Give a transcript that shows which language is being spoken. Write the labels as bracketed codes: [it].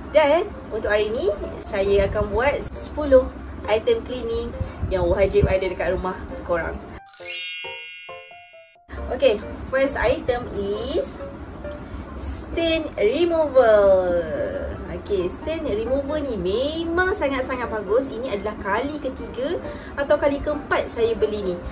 [ms] Dan untuk hari ni saya akan buat 10 item cleaning yang wajib ada dekat rumah korang. [en] Okay, first item is stain removal. [ms] Okay, stain remover ni memang sangat-sangat bagus. Ini adalah kali ketiga atau kali keempat saya beli ni.